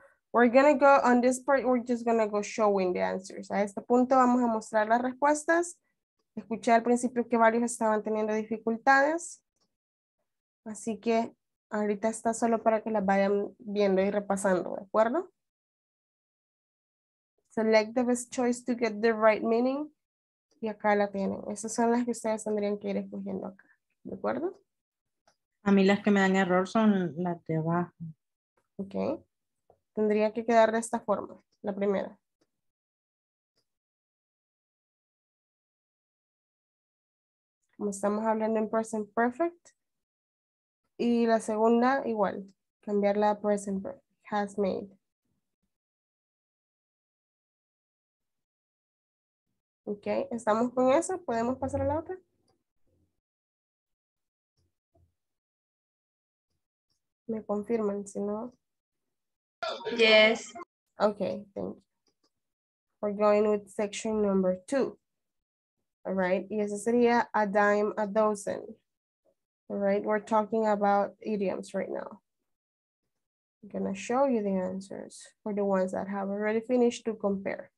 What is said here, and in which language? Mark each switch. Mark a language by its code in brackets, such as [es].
[en] We're going to go on this part, we're just going to go showing the answers. [es] A este punto vamos a mostrar las respuestas. Escuché al principio que varios estaban teniendo dificultades. Así que ahorita está solo para que las vayan viendo y repasando, ¿de acuerdo? [en] Select the best choice to get the right meaning. [es] Y acá la tienen. Esas son las que ustedes tendrían que ir escogiendo acá, ¿de acuerdo? A mí las que me dan error son las de abajo. Ok. Tendría que quedar de esta forma, la primera. Como estamos hablando en present perfect, Y la segunda, igual, cambiarla a present verb, has made. Ok, ¿estamos con eso? ¿Podemos pasar a la otra? ¿Me confirman si no? [en] Yes. Ok, thank you. We're going with section number two. All right, [es] y eso sería a dime, a dozen. [en] All right, we're talking about idioms right now. I'm gonna show you the answers for the ones that have already finished to compare.